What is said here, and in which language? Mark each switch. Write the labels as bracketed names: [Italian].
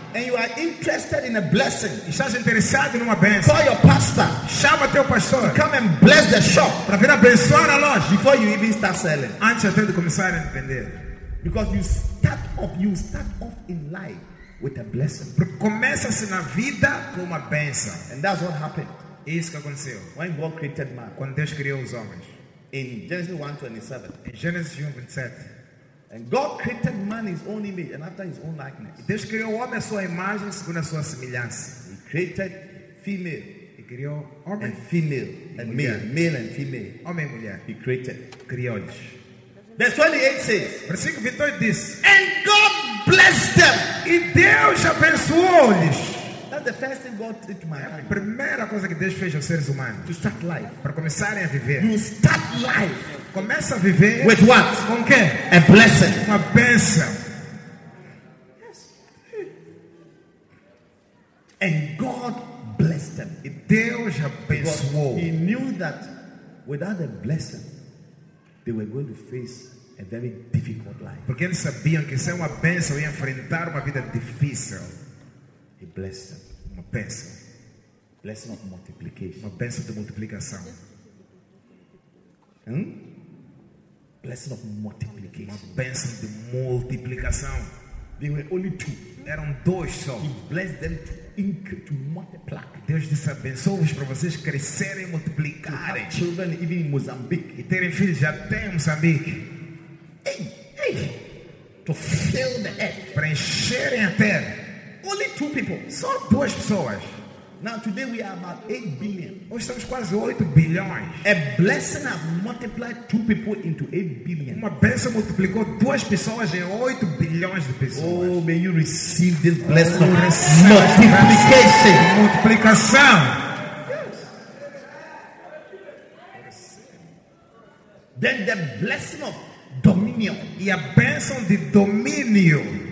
[English] and you are interested in a blessing, [Portuguese] estás interessado numa bênção, [English] call your pastor, [Portuguese] chama teu pastor, [English] to come and bless the shop, [Portuguese] para vir abençoar a loja, [English] before you even start selling, [Portuguese] antes até de começar a vender, [English] because you start off in life with a blessing, [Portuguese] porque começa-se na vida com uma bênção, [English] and that's what happened, [Portuguese] isso que aconteceu, [English] when God created man, [Portuguese] quando Deus criou os homens. [English] In Genesis 1:27. In Genesis 1:27. And God created man in his own image and after his own likeness. [Portuguese] Deus criou o homem à sua imagem segundo a sua semelhança. [English] He created female. [Portuguese] E criou homem. [English] And female. And [Portuguese] mulher. [English] Male and female. [Portuguese] Homem e mulher. [English] He created. [Portuguese] Criou-lhes. [English] Verse 28 says. [Portuguese] Versículo 28 diz. [English] And God blessed them. [Portuguese] E Deus abençoou-lhes. [English] That's the first thing God did to my life. [Portuguese] A primeira coisa que Deus fez aos seres humanos. [English] To start life. [Portuguese] Para começarem a viver. [English] You start life. [Portuguese] Começa a viver. [English] With what? [Portuguese] Com quê? [English] A blessing. [Portuguese] Uma bênção. [English] Yes. And God blessed them. [Portuguese] E Deus abençoou. [English] He knew that without a blessing, they were going to face a very difficult life. [Portuguese] Porque eles sabiam que sem uma bênção iam enfrentar uma vida difícil. [English] A blessing. [Portuguese] Uma bênção. [English] Blessing of multiplication. [Portuguese] Uma bênção de multiplicação. [English] Blessing of multiplication. [Portuguese] Uma bênção de multiplicação. [English] They were only two. [Portuguese] Eram dois só. [English] He blessed them to multiply. [Portuguese] Deus disse, abençoe-vos para vocês crescerem e multiplicarem. [English] To have children even in Mozambique. [Portuguese] E terem filhos até em Moçambique. [English] Hey, hey. To fill the earth. [Portuguese] Para encherem a terra. [English] Only two people. [Portuguese] Só duas pessoas. [English] Now today we are about 8 billion. [Portuguese] Hoje estamos quase 8 bilhões. [English] A blessing has multiplied two people into 8 billion. [Portuguese] Uma bênção multiplicou duas pessoas em 8 bilhões de pessoas. [English] Oh, may you receive this blessing of multiplication. [Portuguese] Multiplicação. [English] Yes. Then the blessing of dominion. [Portuguese] E a bênção de domínio.